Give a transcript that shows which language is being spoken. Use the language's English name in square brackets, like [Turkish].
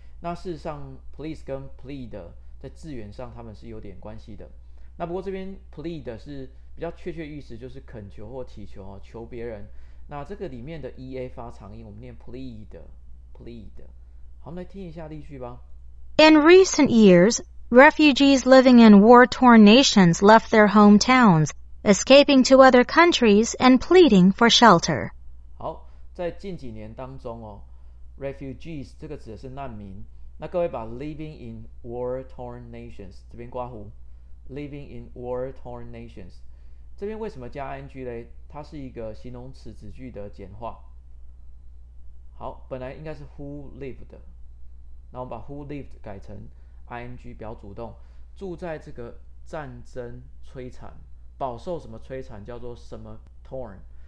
[Chinese] 那事实上 Please 跟 Plead 在字源上他们是有点关系的。那不过这边 Plead 是比较确切意思，就是恳求或祈求，求别人。那这个里面的 E-A 发长音，我们念 Plead Plead。 好，我们来听一下例句吧。 [English] In recent years, Refugees living in war-torn nations left their hometowns, escaping to other countries and pleading for shelter. [Chinese] 好，在近几年当中哦 ，refugees 这个指的是难民。那各位把 [English] living in war-torn nations [Chinese] 这边刮胡 ，living in war-torn nations 这边为什么加 ing 呢？它是一个形容词子句的简化。好，本来应该是 [English] who lived [Chinese] 的，那我们把 who lived 改成 ing 表主动，住在这个战争摧残，饱受什么摧残，叫做什么 torn。